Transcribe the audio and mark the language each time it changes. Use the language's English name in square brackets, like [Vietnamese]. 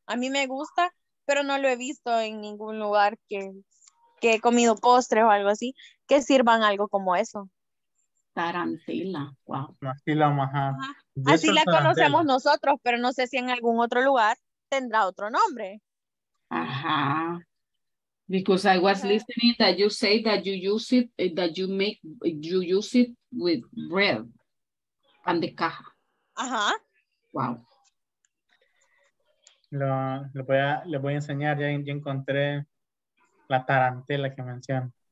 [Spanish] A mí me gusta, pero no lo he visto en ningún lugar que he comido postre o algo así, que sirvan algo como eso. Tarantela, wow. Así la, maja. Así la conocemos nosotros, pero no sé si en algún otro lugar tendrá otro nombre. Ajá. [English] Because I was listening that you say that you use it, that you make, you use it with bread and the caja. Uh-huh. Wow. [Spanish] Le voy a enseñar, ya, ya encontré la tarantela que menciona.